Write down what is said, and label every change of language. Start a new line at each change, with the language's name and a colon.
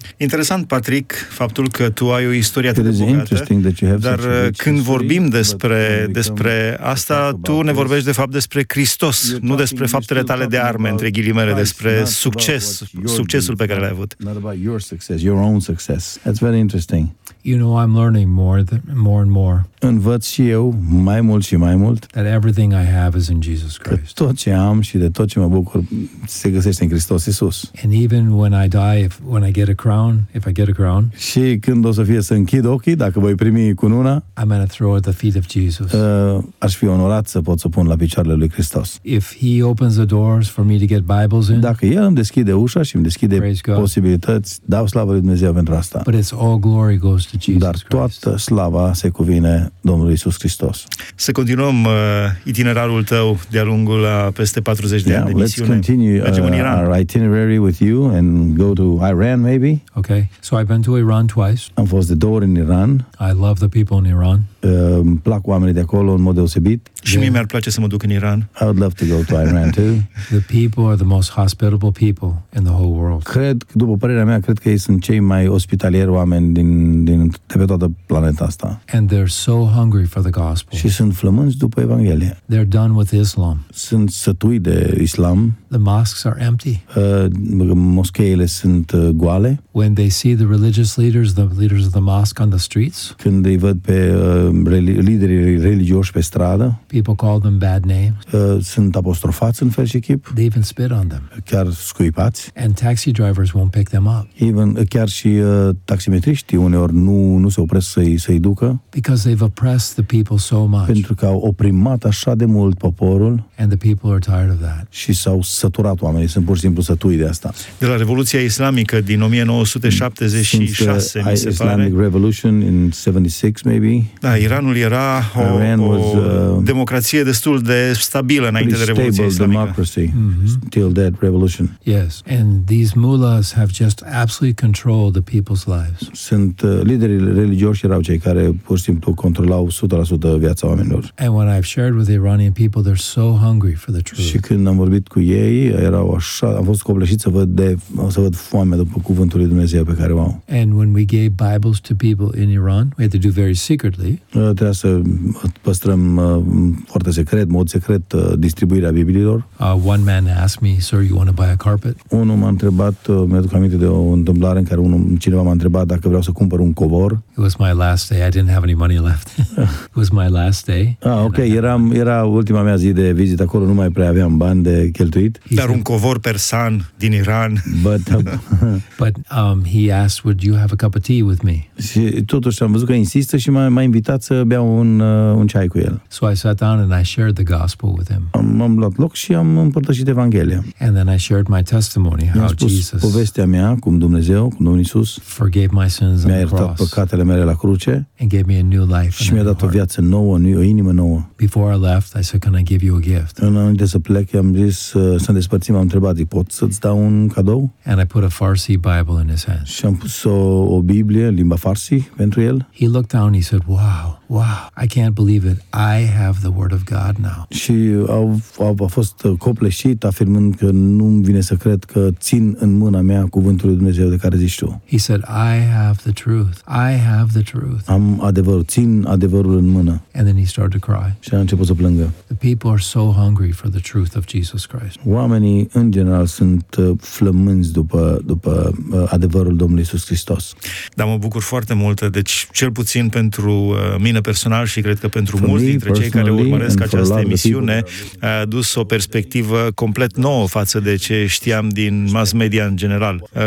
Romanian: Interesant, Patrick, faptul că tu ai o istorie atât de bogată, dar când vorbim despre asta, tu ne vorbești de fapt despre Hristos, nu despre faptele tale de arme, între ghilimele, despre succesul pe care l-ai avut.
English: Not about your success, your own success. That's very interesting. You know, I'm learning more and more.
Romanian: Învăț și eu mai mult și mai mult.
English: That everything I have is in Jesus Christ.
Romanian: Tot ce am și de tot ce mă bucur se găsește în Hristos Iisus.
English: And even when I die, when I get a crown, if I get a crown.
Romanian: Și când o să fie să închid ochii, dacă voi primi cununa,
English: I'm gonna throw at the feet of Jesus.
Romanian: Aș fi onorat să pot să pun la picioarele lui Hristos.
English: If he opens the doors for me to get Bibles in.
Romanian: Dacă el îmi deschide ușa și îmi deschide posibilități, dau slavă lui Dumnezeu pentru asta.
English: But it's all glory goes to Jesus.
Romanian: Dar toată slava se cuvine Domnului Iisus Hristos. Să continuăm itinerarul tău de-a lungul a peste 40 de ani de misiune.
English: Let's continue our itinerary with you and go to Iran maybe. Okay. So I've been to Iran twice.
Romanian: Am fost de două ori în Iran.
English: I love the people in Iran.
Romanian: Îmi plac oamenii de acolo în mod deosebit. Și mie mi-ar place să mă duc în Iran.
English: I would love to go to Iran too. The people are the most hospitable people in the whole world.
Romanian: Cred, după părerea mea, cred că ei sunt cei mai ospitalieri oameni de pe toată planeta asta.
English: And they're so hungry for the gospel.
Romanian: Și sunt flămânzi după Evanghelie.
English: They're done with Islam.
Romanian: Sunt sătui de Islam.
English: The mosques are empty.
Romanian: Moscheile sunt goale.
English: When they see the religious leaders, the leaders of the mosque on the streets.
Romanian: Când îi văd pe liderii religioși pe stradă.
English: People call them bad names.
Romanian: Sunt apostrofați în fel și chip.
English: They even spit on them.
Romanian: Chiar scuipați.
English: And taxi drivers won't pick them up.
Romanian: Chiar și taximetriștii uneori nu se opresc să-i ducă.
English: Because they've oppressed the people so much.
Romanian: Pentru că au oprimat așa de mult poporul.
English: And the people are tired of that.
Romanian: Și s-au săturat oamenii, sunt pur și simplu sătui de asta. De la Revoluția Islamică din 1976, mi se
English: pare. Islamic Revolution in 76, maybe.
Romanian: Da, Iranul era o democrație destul de stabilă înainte de Revoluția Islamică.
English: Till that revolution. Yes, and these mullahs have just absolutely controlled the people's lives.
Romanian: Sunt liderii religioși erau cei care pur și simplu controlau 100% viața oamenilor.
English: And when I've shared with Iranian people, they're so hungry for the truth.
Romanian: Și când am vorbit cu ei, erau așa, am fost copleșit să văd foame după cuvântul lui Dumnezeu pe care o au.
English: And when we gave Bibles to people in Iran, we had to do very secretly.
Romanian: Trebuia să păstrăm foarte secret, mod secret distribuirea Bibliilor.
English: One man asked me, "Sir, you want to buy a carpet?"
Romanian: Unul m-a întrebat, mi-aduc aminte de o întâmplare în care cineva m-a întrebat dacă vreau să cumpăr un covor.
English: It was my last day. I didn't have any money left. It was my last day. Ah, ok.
Romanian: Era ultima mea zi de vizită acolo. Nu mai prea aveam bani de cheltuit. Dar un covor persan din Iran.
English: But he asked, "Would you have a cup of tea with me?"
Romanian: Și totuși am văzut că insistă și m-a invitat să bea un ceai cu el.
English: So I sat down. down and I shared the gospel with him.
Romanian: M-am luat loc și am împărtășit Evanghelia.
English: And then I shared my testimony how Jesus
Romanian: povestea mea cum Dumnezeu, cum Domnul Iisus
English: forgave my sins
Romanian: mi-a iertat păcatele mele la cruce
English: and gave me a new life
Romanian: și mi-a dat o viață nouă, o inimă nouă.
English: Before I left, I said, can I give you a gift?
Romanian: Înainte să plec, am zis, să ne despărțim, am întrebat, pot să-ți dau un cadou?
English: And I put a Farsi Bible in his hands.
Romanian: Și am pus o Biblie, limba Farsi, pentru el.
English: He looked down, he said, wow, I can't believe it. I have the word of God now.
Romanian: Și a fost copleșit, afirmând că nu-mi vine să cred că țin în mâna mea cuvântul lui Dumnezeu de care zici tu.
English: He said, I have the truth.
Romanian: Am adevărul, țin adevărul în mână.
English: And then he started to cry.
Romanian: Și a început să plângă.
English: The people are so hungry for the truth of Jesus Christ.
Romanian: Oamenii, în general, sunt flămânzi după adevărul Domnului Iisus Hristos. Dar mă bucur foarte mult, deci cel puțin pentru mine personal și cred că pentru mulți dintre cei care urmăresc această emisiune, a adus o perspectivă complet nouă față de ce știam din mass media în general.